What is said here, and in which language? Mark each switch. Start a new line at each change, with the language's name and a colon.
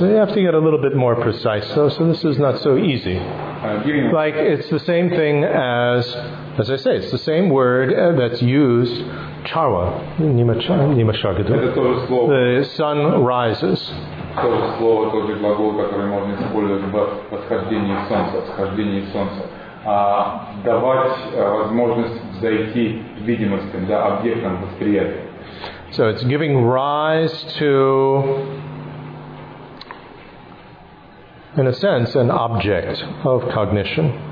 English: You have to get a little bit more precise, though, so this is not so easy. Like, it's the same thing as I say, it's the same word that's used, charwa, nima shargadu. The sun rises.
Russian: То же слово, тот же глагол, который можно использовать в восхождении солнца, восхождении солнца. Давать возможность взойти видимостям, да, объектам восприятия.
English: So it's giving rise to, in a sense, an object of cognition.